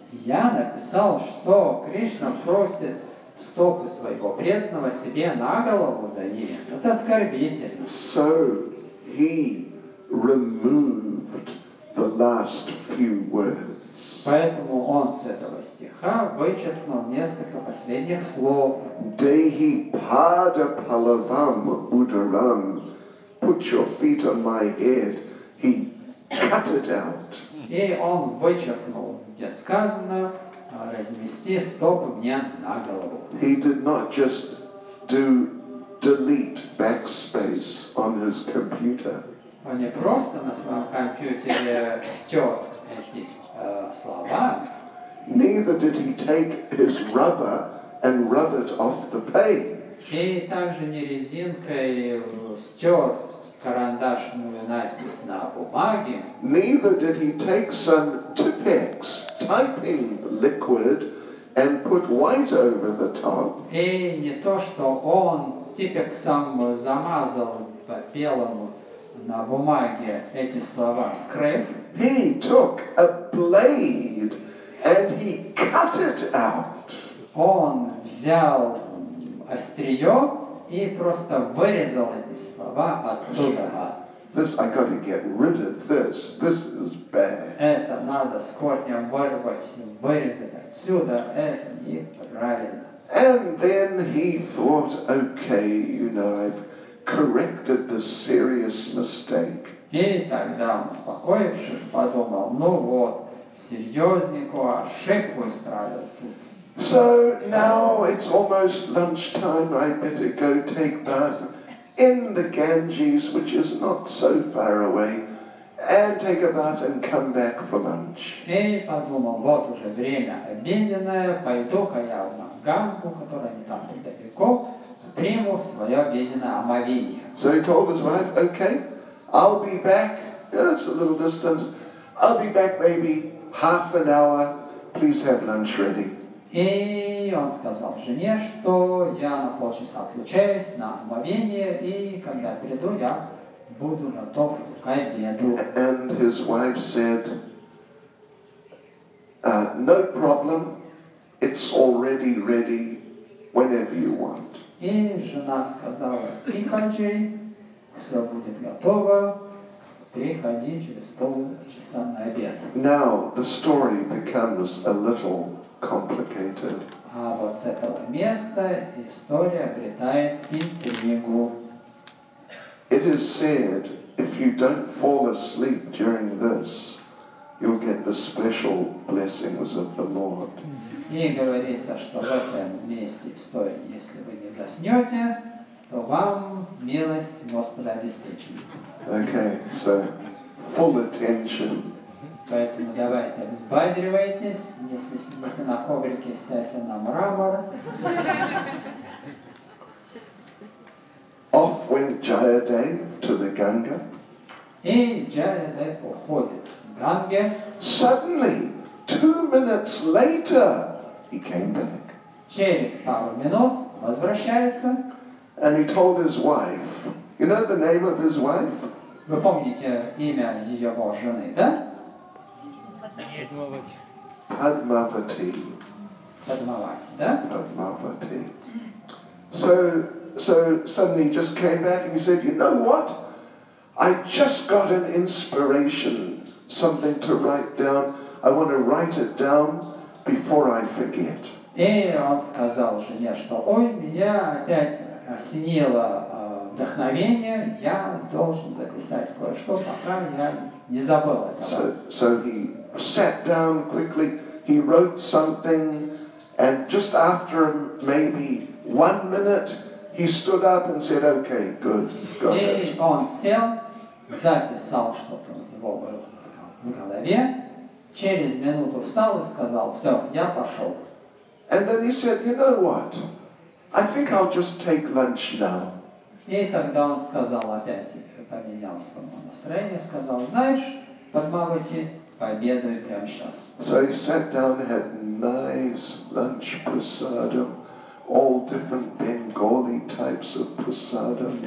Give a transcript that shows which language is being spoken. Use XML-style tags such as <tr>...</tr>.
<ru>Я написал, что Кришна просит стопы своего преданного себе на голову, да нет, это оскорбительно.</ru> <en>So he removed the last few words.</en> <ru>Поэтому он с этого стиха вычеркнул несколько последних слов.</ru> <sa>Dehi pada palavam udaram,</sa> <en>put your feet on my head. He cut it out.</en> <ru>И он вычеркнул, где сказано, Размести 100 дня на голову.</ru> <en>He did not just do delete backspace on his computer.</en> <ru>Он не просто на своем компьютере стер эти слова.</ru> <en>Neither did he take his rubber and rub it off the page.</en> <ru>И также не резинкой стер карандашную надпись на бумаге.</ru> <en>Neither did he take some Tippex typing liquid and put white over the top.</en> <ru>И не то, что он Tippex-ом замазал по белому на бумаге эти слова скрыв.</ru> <en>He took a blade and he cut it out.</en> <ru>Он взял острие и просто вырезал эти слова оттуда.</ru> <en>This I gotta get rid of this. This is bad.</en> <ru>Это надо с корнем вырвать, вырезать отсюда. Это неправильно.</ru> <en>And then he thought, okay, you know, I've corrected the serious mistake.</en> <ru>И тогда он, успокоившись, подумал, ну вот, серьезненькую ошибку исправил тут.</ru> <en>So now it's almost lunchtime, I better go take bath in the Ganges, which is not so far away, and take a bath and come back for lunch.</en> <ru>И подумал, вот уже время обеденное, пойду-ка я в Гангу, которая не так далеко, приму свое обеденное омовение.</ru> <en>So he told his wife, okay, I'll be back, yeah, it's a little distance, I'll be back maybe half an hour, please have lunch ready.</en> <ru>И он сказал жене, что я на полчаса отключаюсь на омовение, и когда приду, я буду готов к обеду.</ru> <en>And his wife said, no problem, it's already ready whenever you want.</en> <ru>И жена сказала, приходи, все будет готово, приходи через полчаса на обед.</ru> <en>Now the story becomes a little complicated.</en> <ru>А вот с этого места история обретает интригу.</ru> <en>It is said, if you don't fall asleep during this, you'll get the special blessings of the Lord.</en> <ru>И говорится, что в этом месте истории, если вы не заснете, то вам милость Господа обеспечена.</ru> <en>Okay, so full attention.</en> <ru>Поэтому давайте взбадривайтесь, если сидите на коврике, сядьте на мрамор.</ru> <en>Off went Jayadev to the Ganga.</en> <ru>И Jayadev уходит в Ганге.</ru> <en>Suddenly, 2 minutes later, he came back.</en> <ru>Через пару минут возвращается.</ru> <en>And he told his wife, you know the name of his wife?</en> <ru>Вы помните имя его жены, да?</ru> <en>Padmavati.</en> <ru>Padmavati, да?</ru> <en>Padmavati. So suddenly he just came back and he said, you know what? I just got an inspiration, something to write down. I want to write it down before I forget.</en> <ru>И он сказал жене, что ой, меня опять осенило вдохновение, я должен записать кое-что, пока я не забыл этого.</ru> <en>So he sat down quickly, he wrote something, and just after maybe 1 minute, he stood up and said, okay, good, got it.</en> <ru>И он сел, записал что-то у него в голове, через минуту встал и сказал, все, я пошел.</ru> <en>And then he said, you know what, I think I'll just take lunch now.</en> <ru>И тогда он сказал опять, поменял свое настроение, сказал, знаешь, Падмавати, пообедаю прямо сейчас.</ru> <en>So he sat down and had nice lunch prasadam, all different Bengali types of prasadam.</en>